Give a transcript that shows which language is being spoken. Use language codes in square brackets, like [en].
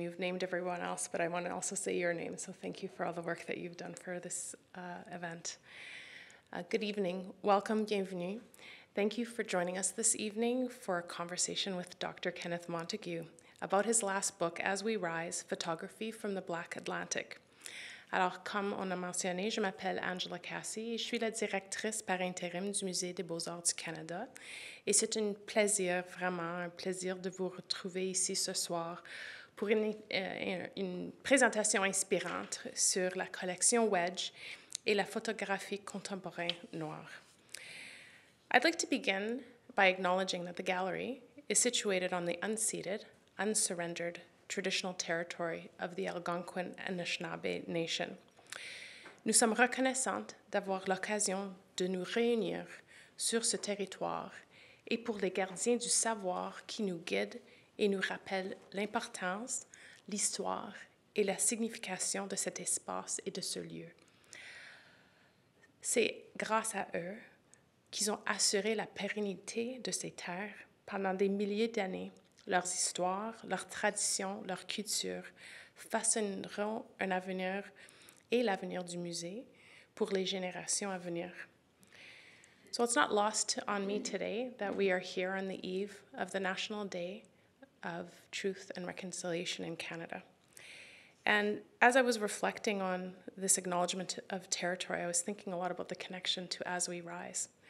[en] You've named everyone else, but I want to also say your name, so thank you for all the work that you've done for this event. Good evening. Welcome, bienvenue. Thank you for joining us this evening for a conversation with Dr. Kenneth Montague about his last book, As We Rise, Photography from the Black Atlantic. [fr] Alors, comme on a mentionné, je m'appelle Angela Cassie et je suis la directrice par intérim du Musée des beaux-arts du Canada. Et c'est un plaisir, vraiment un plaisir de vous retrouver ici ce soir pour une présentation inspirante sur la collection Wedge et la photographie contemporaine noire. [en] I'd like to begin by acknowledging that the gallery is situated on the unceded, unsurrendered traditional territory of the Algonquin Anishinaabe Nation. [fr] Nous sommes reconnaissantes d'avoir l'occasion de nous réunir sur ce territoire et pour les gardiens du savoir qui nous guident et nous rappellent l'importance, l'histoire et la signification de cet espace et de ce lieu. C'est grâce à eux qu'ils ont assuré la pérennité de ces terres pendant des milliers d'années. Leurs histoires, leurs traditions, leur culture façonneront un avenir et l'avenir du musée pour les générations à venir. [en] So it's not lost on me today that we are here on the eve of the National Day of Truth and Reconciliation in Canada. And as I was reflecting on this acknowledgement of territory, I was thinking a lot about the connection to As We Rise.